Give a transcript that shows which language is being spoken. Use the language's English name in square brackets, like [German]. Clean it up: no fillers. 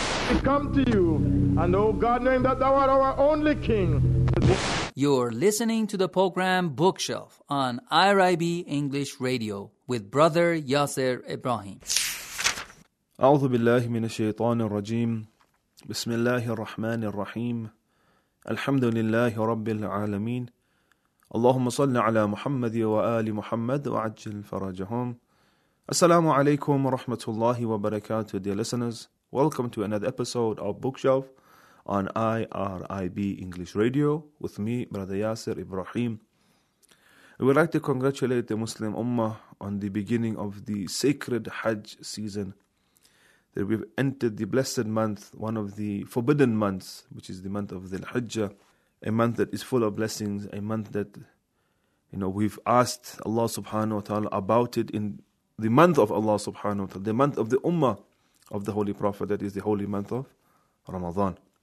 [English] We come to you, and O God, knowing that thou art our only King. You're listening to the program Bookshelf on IRIB English Radio with Brother Yasser Ibrahim. [Arabic] أعوذ بالله من الشيطان الرجيم بسم الله الرحمن الرحيم الحمد لله رب العالمين اللهم صل على محمد وآل محمد وعجل فرجهم السلام عليكم ورحمة الله وبركاته [English] dear listeners. Welcome to another episode of Bookshelf on IRIB English Radio with me, Brother Yasser Ibrahim. We would like to congratulate the Muslim Ummah on the beginning of the sacred Hajj season, that we've entered the blessed month, one of the forbidden months, which is the month of the Hajjah, a month that is full of blessings, a month that, you know, we've asked Allah subhanahu wa ta'ala about it in the month of Allah subhanahu wa ta'ala, the month of the Ummah of the Holy Prophet, that is the holy month of Ramadan.